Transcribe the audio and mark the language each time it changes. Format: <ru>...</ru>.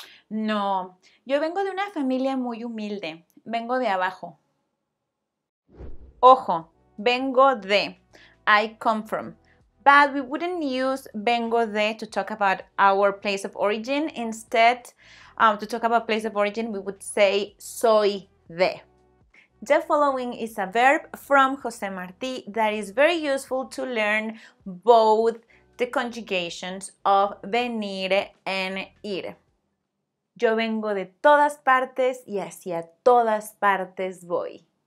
<es>No, yo vengo de una familia muy humilde, vengo de abajo. Ojo, vengo de,</es> <en>I come from. But we wouldn't use</en> <es>vengo de</es> <en>to talk about our place of origin. Instead, to talk about place of origin, we would say</en> <es>soy de.</es> <en>The following is a verb from José Martí that is very useful to learn both the conjugations of venir and ir.</en> <es>Yo vengo de todas partes y hacia todas partes voy.</es>